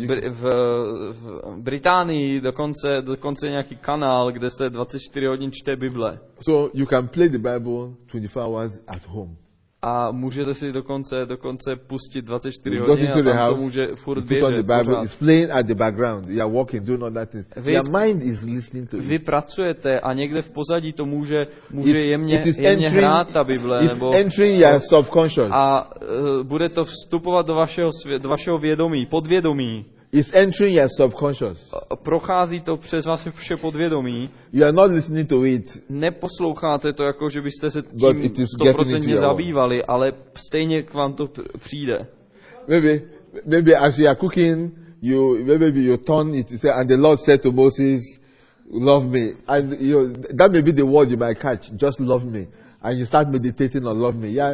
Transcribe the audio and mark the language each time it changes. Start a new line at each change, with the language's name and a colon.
Czech: V Británii dokonce nějaký kanál, kde se 24 hodin čte Bible.
English: So you can play the Bible 24 hours at home.
Czech: A můžete si dokonce pustit 24 hodin a tam to může furt běžet.
English: The Bible is playing at the background. You are walking, doing all that things. Your mind is listening to it.
Czech: Vy pracujete a někde v pozadí to může jemně hrát ta Bible nebo
English: entering your subconscious.
Czech: A bude to vstupovat do vašeho vědomí, podvědomí.
English: It's entering your subconscious.
Czech: Prochází to přes vaše vše podvědomí.
English: You are not listening to it.
Czech: Neposloucháte to jako, že byste se tím 100% zabývali, ale stejně k vám to přijde.
English: Maybe as you are cooking, you turn it to say, and the Lord said to Moses, "Love me." And that may be the word you might catch. Just love me, and you start meditating on love me.